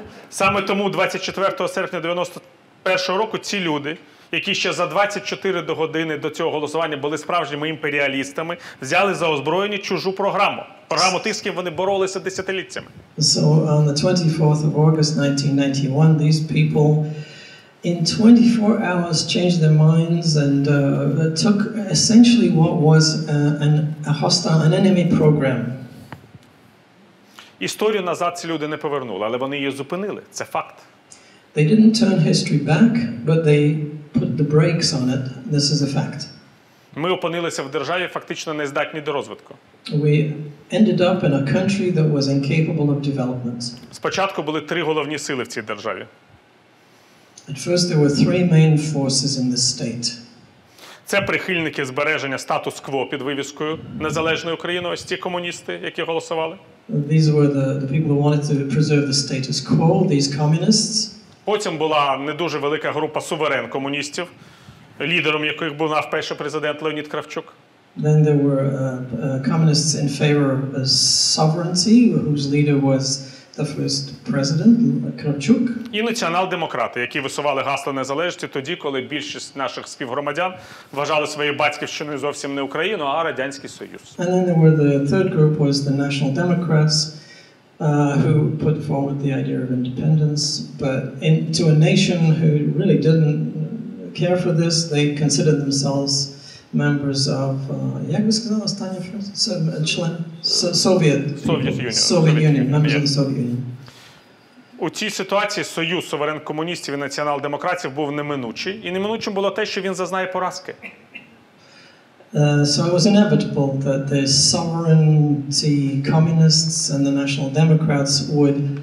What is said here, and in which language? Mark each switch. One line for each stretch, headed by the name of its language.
Ukrainian: Саме тому 24 серпня 91 року ці люди, які ще за 24 до години до цього голосування були справжніми імперіалістами, взяли за озброєння чужу програму. Програму тих, з ким вони боролися десятиліттями.
English: So on the 24th of August 1991, these people in 24 hours changed their minds and took essentially what was a hostile, an enemy program.
Ukrainian: Історію назад ці люди не повернули, але вони її зупинили. Це факт.
English: They didn't turn history back, but they put the brakes on it. This is a fact.
Ukrainian: Ми опинилися в державі, фактично нездатні до розвитку.
English: We ended up in a country that was incapable of development.
Ukrainian: Спочатку були три головні сили в цій державі.
English: At first there were three main forces in this state.
Ukrainian: Це прихильники збереження статус-кво під вивіскою незалежної України, ось ті комуністи, які голосували.
English: These were the people who wanted to preserve the status quo, these communists.
Ukrainian: Потім була не дуже велика група суверен комуністів, лідером яких був наш перший президент Леонід Кравчук.
English: Then there were communists in favor of sovereignty, whose leader was the first president, Кравчук.
Ukrainian: І націонал-демократи, які висували гасло незалежності тоді, коли більшість наших співгромадян вважали своєю батьківщиною зовсім не Україну, а Радянський Союз.
English: And then there were the third group was the National Democrats, who put forward the idea of independence, but into a nation who really didn't care for this, they considered themselves members of,
Ukrainian: як ви сказали, остання фраза? Член? Совєт. Совєт
English: Юніон. Members of the Soviet Union.
Ukrainian: У цій ситуації союз суверен комуністів і націонал-демократів був неминучий, і неминучим було те, що він зазнає поразки.
English: So it was inevitable that the sovereignty communists and the national democrats would